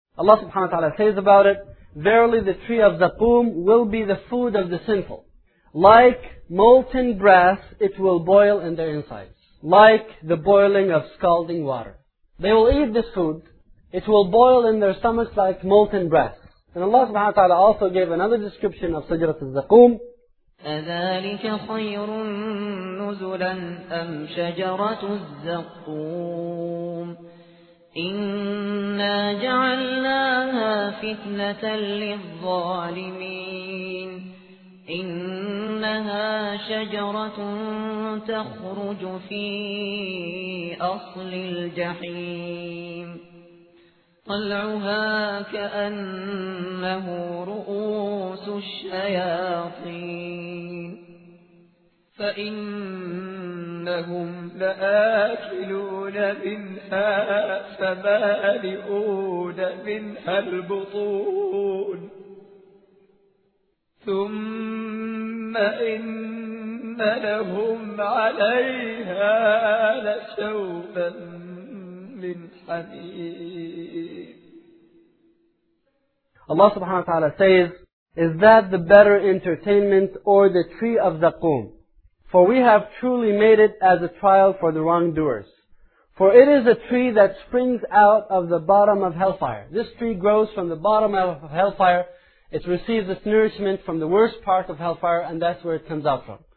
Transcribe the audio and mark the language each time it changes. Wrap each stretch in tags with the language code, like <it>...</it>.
<en>Allah subhanahu wa ta'ala says about it, Verily the tree of zaqum will be the food of the sinful. Like molten brass, it will boil in their insides. Like the boiling of scalding water. They will eat this food. It will boil in their stomachs like molten brass. And Allah subhanahu wa ta'ala also gave another description of shajarat al-zaqum.</en> <ar>أذلك خير نزلا أم شجرة الزقوم إنا جعلناها فتنة للظالمين إنها شجرة تخرج في أصل الجحيم طلعها كأنه رؤوس الشياطين فإنهم لآكلون منها فمالئون منها البطون ثم إن لهم عليها لشوبا من حميم</ar> <en>Allah subhanahu wa ta'ala says, Is that the better entertainment or the tree of Zaqum? For we have truly made it as a trial for the wrongdoers. For it is a tree that springs out of the bottom of hellfire. This tree grows from the bottom of hellfire. It receives its nourishment from the worst part of hellfire and that's where it comes out from.</en>